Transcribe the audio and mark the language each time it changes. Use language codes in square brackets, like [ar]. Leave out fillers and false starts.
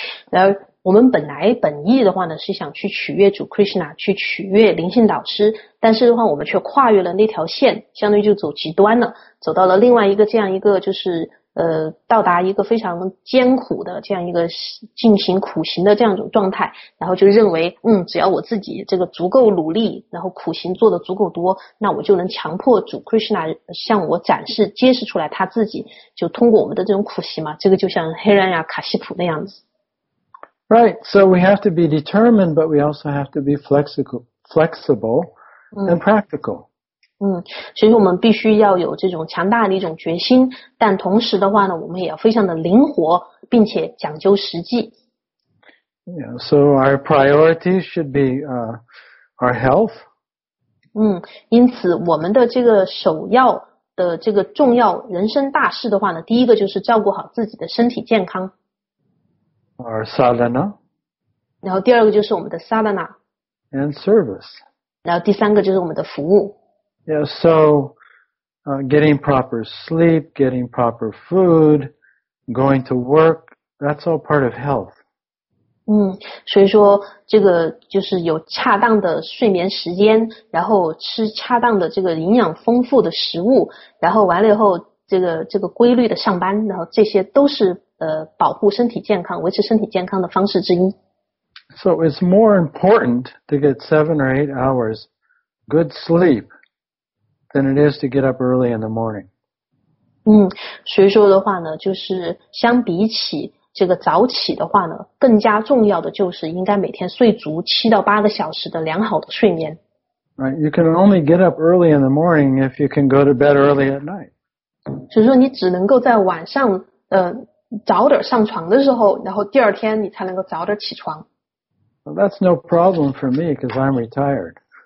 [zh] 然后我们本意的话呢，是想去取悦主 Krishna， 去取悦灵性导师，但是的话我们却跨越了那条线，相当于就走极端了，走到了另外一个这样一个就是到达一个非常艰苦的这样一个进行苦行的这样一种状态，然后就认为只要我自己这个足够努力，然后苦行做得足够多，那我就能强迫主 Krishna 向我展示揭示出来他自己，就通过我们的这种苦行嘛，这个就像黑人呀卡西普那样子。 [en] Right, so we have to be determined, but we also have to be flexible and practical. [zh] 所以我们必须要有这种强大的一种决心，但同时的话呢，我们也要非常的灵活，并且讲究实际。 [en] Yeah, so our priority should be our health. [zh] 因此我们的这个首要的这个重要人生大事的话呢，第一个就是照顾好自己的身体健康。 [en] Our sadhana. [zh] 然后第二个就是我们的 sadhana. [en] And service. [zh] 然后第三个就是我们的服务。 [en] Yeah, so, getting proper sleep, getting proper food, going to work, that's all part of health. [zh] 所以说这个就是有恰当的睡眠时间，然后吃恰当的这个营养丰富的食物，然后完了以后这个规律的上班，然后这些都是保护身体健康、维持身体健康的方式之一。 [en] So it's more important to get 7 or 8 hours good sleep than it is to get up early in the morning. [zh] 所以说的话呢，就是相比起这个早起的话呢，更加重要的就是应该每天睡足7到8个小时的良好的睡眠。 [en] Right, you can only get up early in the morning if you can go to bed early at night. [zh] 所以说你只能够在晚上早点上床的时候，然后第二天你才能够早点起床。 [en] Well, that's no problem for me because I'm retired.